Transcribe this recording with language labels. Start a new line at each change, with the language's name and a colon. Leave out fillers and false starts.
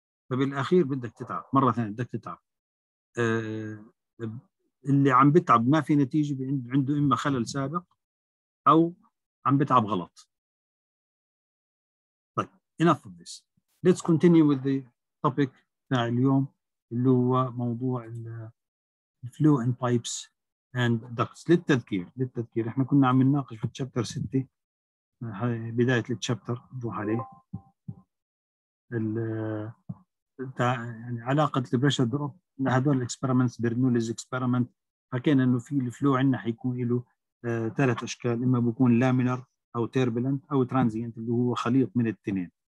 Arabic: فبالأخير بدك تتعب مرة ثانية، بدك تتعب. اللي عم بتعب ما في نتيجة، عنده إما خلل سابق أو عم بتعب غلط. طيب
English: enough of this. let's continue with the topic
Arabic: تاع اليوم اللي هو موضوع ال
English: flow and pipes and ducts.
Arabic: للتذكير للتذكير احنا كنا عم نناقش في chapter 6 بداية الشابتر نروح عليه ال تاع يعني علاقة البريشر دروب لهذول الاكسبيرمنتس برنوليز اكسبيرمنت. حكينا انه في الفلو عندنا حيكون له ثلاث اشكال، اما بيكون لامينر او تيربلنت او ترانزينت اللي هو خليط من الاثنين.